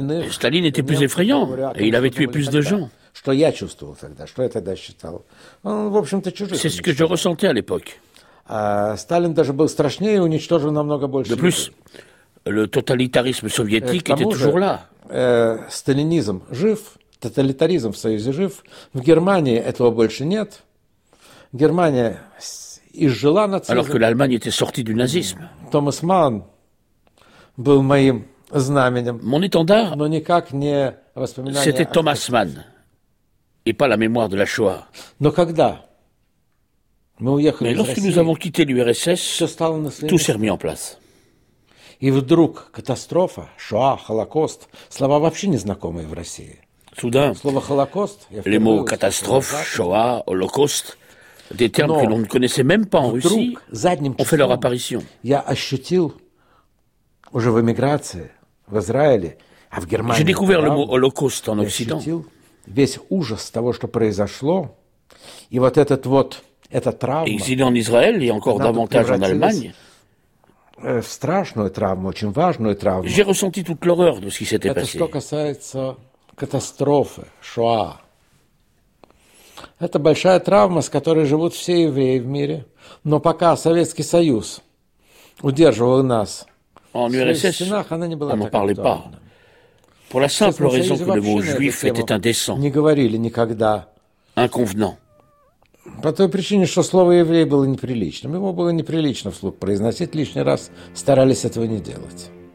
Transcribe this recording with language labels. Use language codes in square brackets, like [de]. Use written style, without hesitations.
[fr] Staline était plus effrayant, et il avait tué plus de gens. C'est ce que je ressentais à l'époque. De plus, le totalitarisme soviétique était toujours là. Stalinisme vif, totalitarisme en [ru] Союзе [fr] vif. En Allemagne, [ru] этого больше нет. Германия изжила нацизм. [fr] Alors que l'Allemagne était sortie du nazisme. [ru] Thomas Mann был моим знаменем. [fr] Mon étendard, [ru] но никак не воспоминание. [fr] C'était Thomas Mann et pas la mémoire de la Shoah. [ru] Но когда мы уехали. [fr] Mais lorsque nous avons quitté l'URSS, tout s'est remis en place. [ru] И вдруг катастрофа, Shoah, Holocaust, слова вообще незнакомые в России. [fr] Soudain, les mots catastrophe, Shoah, Holocaust, des termes que l'on ne connaissait même pas en Russie, ont fait leur apparition. J'ai découvert le mot Holocaust en Occident. Exilé en Israël et encore davantage en Allemagne. J'ai ressenti toute l'horreur de ce qui s'était passé. [ru] Катастрофы, Шоа. Это большая травма, с которой живут все евреи в мире. Но пока Советский Союз удерживал нас en в своих стенах, она не была так актуальна. [fr] Pour la simple raison que le mot juif était indécent. [ru] Не говорили никогда. [fr] Inconvenant. [ru] По той причине, что слово «еврей» было неприличным. Его было неприлично вслух произносить лишний раз. Старались этого не делать.